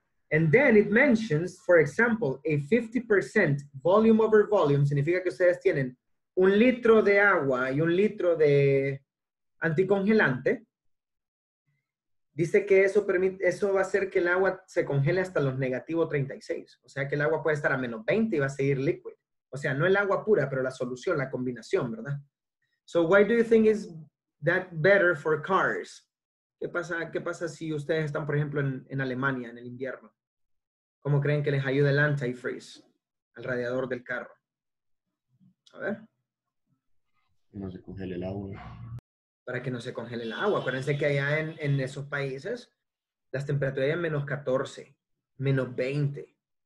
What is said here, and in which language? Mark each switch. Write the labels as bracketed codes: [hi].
[en] And then it mentions, for example, a 50% volume over volume, [es] significa que ustedes tienen un litro de agua y un litro de anticongelante, dice que eso permite, eso va a hacer que el agua se congele hasta los -36. O sea, que el agua puede estar a -20 y va a seguir liquid. O sea, no el agua pura, pero la solución, la combinación, ¿verdad? [en] So, why do you think is that better for cars? [es] ¿Qué pasa si ustedes están, por ejemplo, en Alemania, en el invierno? ¿Cómo creen que les ayuda el antifreeze al radiador del carro? A ver. No se congele el agua. Para que no se congele el agua. Acuérdense que allá en esos países, las temperaturas son -14, -20.